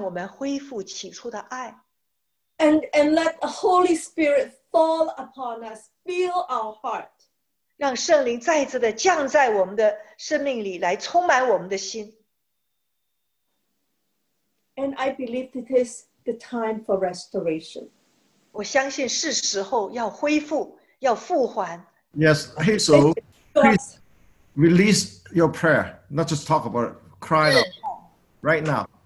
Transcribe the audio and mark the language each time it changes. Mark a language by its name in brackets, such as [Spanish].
[Chinese] 当我们自己没有办法来改变，来恢复，但是主的怜悯，主的恩典可以让我们恢复起初的爱。 [English] And let the Holy Spirit fall upon us, fill our heart. [Chinese] 让圣灵再次的降在我们的生命里，来充满我们的心。 [English] And I believe it is the time for restoration. [Chinese] 我相信是时候要恢复，要复还。 [English] Yes, Hazel, please release your prayer. Not just talk about it, cry out right now.